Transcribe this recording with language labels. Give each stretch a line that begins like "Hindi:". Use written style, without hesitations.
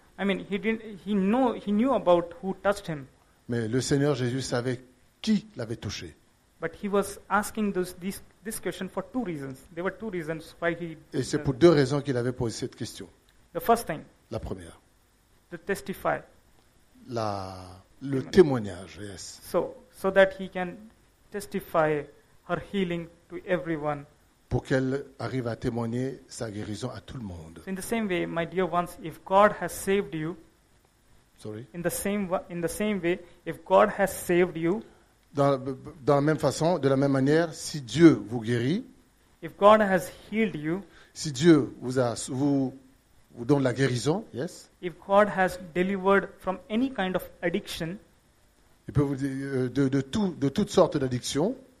English: I mean, he knew about who touched him.
French: Mais le Seigneur Jésus savait qui l'avait touché.
English: But he was asking this question for two reasons. There were two reasons why he.
French: Et c'est pour deux raisons qu'il avait posé cette question.
English: The first thing.
French: La première.
English: To testify.
French: Le témoignage, yes.
English: So that he can testify her healing to everyone.
French: Pour qu'elle arrive à témoigner sa guérison à tout le monde.
English: In the same way, my dear ones, if God has saved you. Sorry. In the same way, if God has saved you.
French: Dans la même façon, de la même manière, si Dieu vous guérit,
English: if God has healed you,
French: si Dieu vous donne la guérison, yes,
English: if God has delivered from any kind of addiction,
French: il peut vous dire, de toutes sortes d'addictions,